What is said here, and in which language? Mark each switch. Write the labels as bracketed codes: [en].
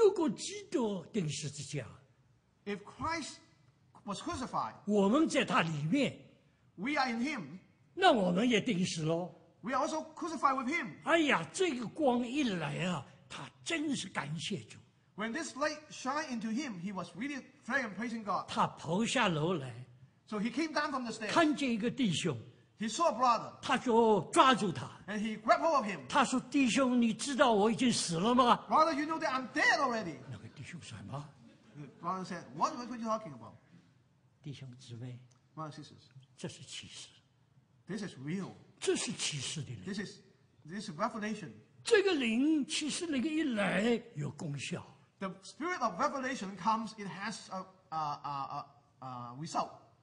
[zh] 如果基督钉十字架, [en] if Christ was crucified, [zh] 我们在他里面, [en] we are in him, [zh] 那我们也钉死咯。 [en] We are also crucified with him. [zh] 哎呀, 这个光一来啊, 他真是感谢主。 [en] When this light shined into him, he was really praying and praising God. [zh] 他跑下楼来, [en] so he came down from the stairs. [zh] 看见一个弟兄, [en] he saw a brother. [zh] 他就抓住他, [en] and he grabbed hold of him. [zh] 他说, 弟兄,你知道我已经死了吗? [en] Brother, you know that I'm dead already. [zh] 那个弟兄说什么? [en] The brother said, what were you talking about? [zh] 弟兄姊妹, [en] brother, sisters, [zh] 这是启示。 [en] This is real. [zh] 这是启示的灵。 [en] This is revelation. [zh] 这个灵,启示灵一来有功效。 [en] The spirit of revelation comes, it has a result.